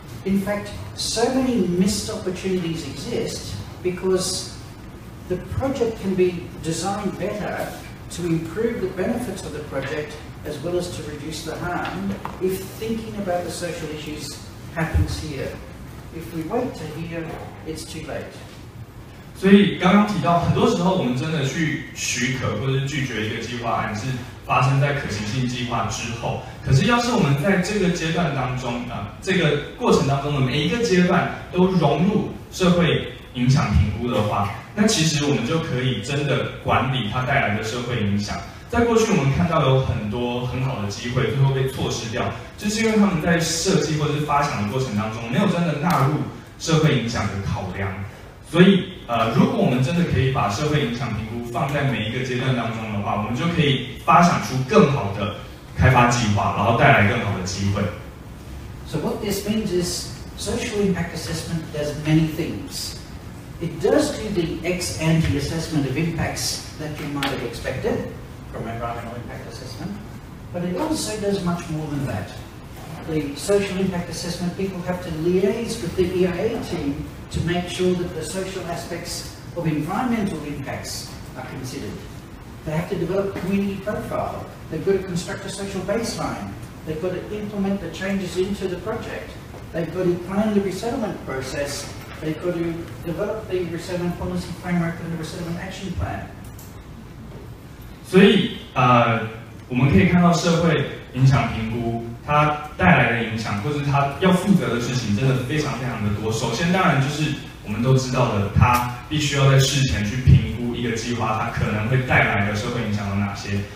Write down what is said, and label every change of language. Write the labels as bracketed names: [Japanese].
[English] In fact, so many missed opportunities exist because the project can be designed better to improve the benefits of the project as well as to reduce the harm if thinking about the social issues happens here. If we wait to hear, it's too late. [Chinese] 所以刚刚提到，很多时候我们真的去许可或是拒绝一个计划案，是发生在可行性计划之后。可是要是我们在这个阶段当中这个过程当中的每一个阶段都融入社会影响评估的话，那其实我们就可以真的管理它带来的社会影响。在过去我们看到有很多很好的机会最后被错失掉，就是因为他们在设计或是发想的过程当中没有真的纳入社会影响的考量。所以如果我们真的可以把社会影响评估放在每一个阶段当中的话，我们就可以发想出更好的开发计划，然后带来更好的机会。 [English] So what this means is social impact assessment does many things. It does do the ex ante assessment of impacts that you might have expected from environmental impact assessment, but it also does much more than that. The social impact assessment people have to liaise with the EIA teamTo make sure that the social aspects of environmental impacts are considered, they have to develop a community profile. They've got to construct a social baseline. They've got to implement the changes into the project. They've got to plan the resettlement process. They've got to develop the resettlement policy framework and the resettlement action plan. [Chinese] 所以，我们可以看到社会影响评估它带来的影响，或是它要负责的事情，真的非常非常的多。首先，当然就是我们都知道的，它必须要在事前去评估一个计划它可能会带来的社会影响有哪些。